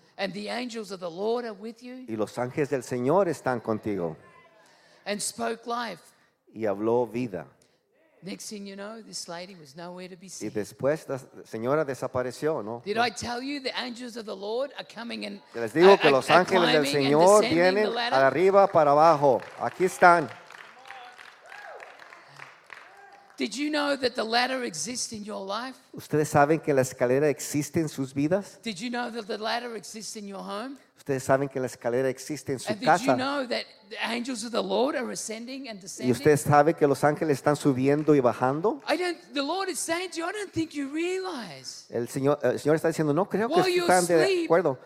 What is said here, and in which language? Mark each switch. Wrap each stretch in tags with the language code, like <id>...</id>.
<en>And the angels of the Lord are with you.</en> <es>Y los ángeles del Señor están contigo.</es> <en>And spoke life.</en> <es>Y habló vida.</es> <en>Next thing you know, this lady was nowhere to be seen.</en> <es>Y después la señora desapareció, ¿no?</es> <en>Did I tell you the angels of the Lord are coming and climbing?</en> <es>Les digo que los ángeles del Señor vienen arriba para abajo. Aquí están.</es> <en>Did you know that the ladder exists in your life?</en> <es>¿Ustedes saben que la escalera existe en sus vidas?</es> <en>Did you know that the ladder exists in your home?</en> <es>¿Ustedes saben que la escalera existe en su</es> <en>and</en> <es>casa?</es> <en>Did you know that the angels of the Lord are ascending and descending?</en> <es>¿Y ustedes saben que los ángeles están subiendo y bajando?</es> <en>The Lord is saying to you, I don't think you realize.</en> <es>El Señor está diciendo, no creo que están de acuerdo.</es>